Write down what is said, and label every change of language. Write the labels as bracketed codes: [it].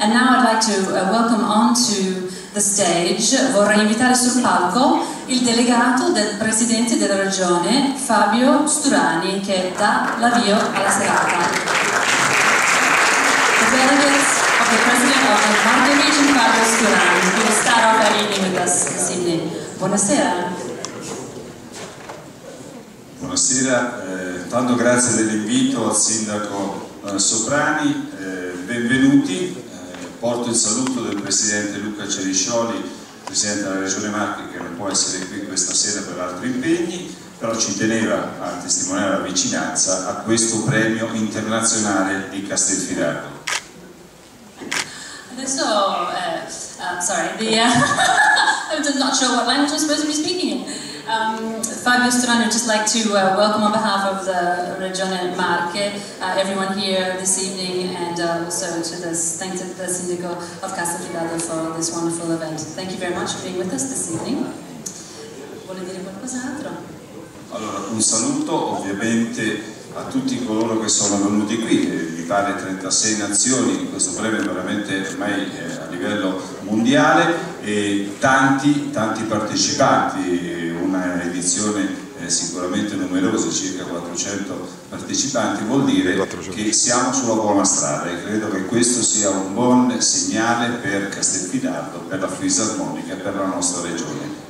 [en] And now I'd like to welcome onto the stage, [it] vorrei invitare sul palco il delegato del Presidente della Regione, Fabio Sturani, che dà l'avvio alla serata. [en] The delegates of the President of the Lombardo Region, Fabio Sturani, who will start off our evening with us this evening. [it] Buonasera. Buonasera, tanto grazie dell'invito al sindaco Soprani, benvenuti, porto il saluto del presidente Luca Ceriscioli, presidente della regione Marche, che non può essere qui questa sera per altri impegni, però ci teneva a testimoniare la vicinanza a questo premio internazionale di Castelfidardo. [en] Adesso, I'm not sure what language I'm supposed to be speaking in. Fabio Sturani, I'd just like to welcome on behalf of the Regione Marche everyone here this evening and also to this, thank to the Sindaco of Castelfidardo for this wonderful event. Thank you very much for being with us this evening. [it] Vuole dire qualcos'altro? Allora, un saluto ovviamente a tutti coloro che sono venuti qui, l'Italia 36 nazioni, questo premio è veramente ormai a livello mondiale e tanti partecipanti, una edizione sicuramente numerosa, circa 400 partecipanti, vuol dire che siamo sulla buona strada e credo che questo sia un buon segnale per Castelfidardo, per la Fisarmonica, per la nostra regione.